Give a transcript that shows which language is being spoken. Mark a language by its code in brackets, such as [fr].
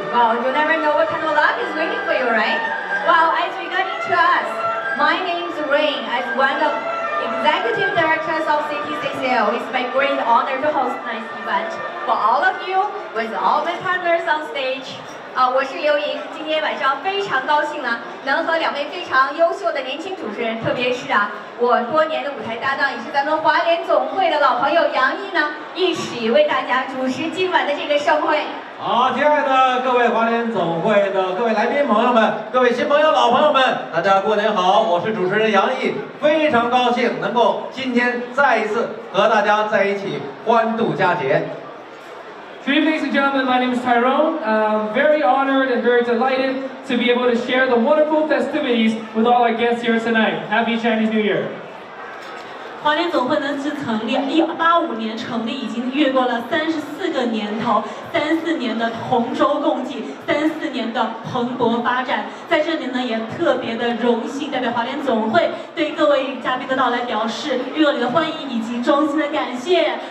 [en] Well, you never know what kind of luck is waiting for you, right? Well, as regarding to us, my name's Rain. As one of executive directors of CTCCL, it's my great honor to host tonight's event for all of you with all my partners on stage. [zh] 我是刘莹，今天晚上非常高兴呢，能和两位非常优秀的年轻主持人，特别是啊，我多年的舞台搭档，也是咱们华联总会的老朋友杨毅呢，一起为大家主持今晚的这个盛会。好，亲爱的各位华联总会的各位来宾朋友们，各位新朋友老朋友们，大家过年好，我是主持人杨毅，非常高兴能够今天再一次和大家在一起欢度佳节。 [en] Good evening, ladies and gentlemen, my name is Tyrone. I'm very honored and very delighted to be able to share the wonderful festivities with all our guests here tonight. Happy Chinese New Year! [zh] 华联总会呢自成立1885年成立，已经越过了34个年头，34年的同舟共济，34年的蓬勃发展。在这里呢，也特别的荣幸代表华联总会对各位嘉宾的到来表示热烈的欢迎以及衷心的感谢。